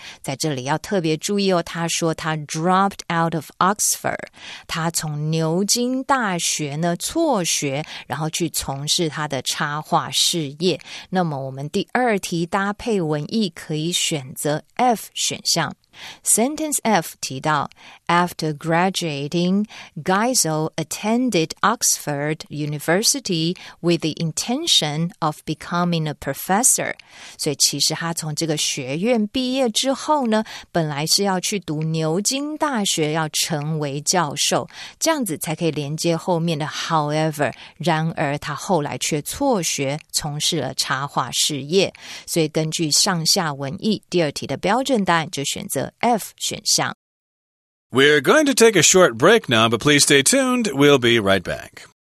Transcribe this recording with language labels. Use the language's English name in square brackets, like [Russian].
[Chinese] 在这里要特别注意哦，他说他 [English] dropped out of Oxford， [Chinese] 他从牛津大学呢辍学，然后去从事他的插画事业。那么我们第二题搭配文意可以选择 F 选项。 [English] Sentence F [Chinese] 提到 [English] After graduating, Geisel attended Oxford University with the intention of becoming a professor. [Chinese] 所以其实他从这个学院毕业之后呢本来是要去读牛津大学要成为教授这样子才可以连接后面的 However, 然而他后来却辍学从事了插画事业。所以根据上下文意第二题的标准答案就选择F 选项。 [English] We're going to take a short break now, but please stay tuned. We'll be right back.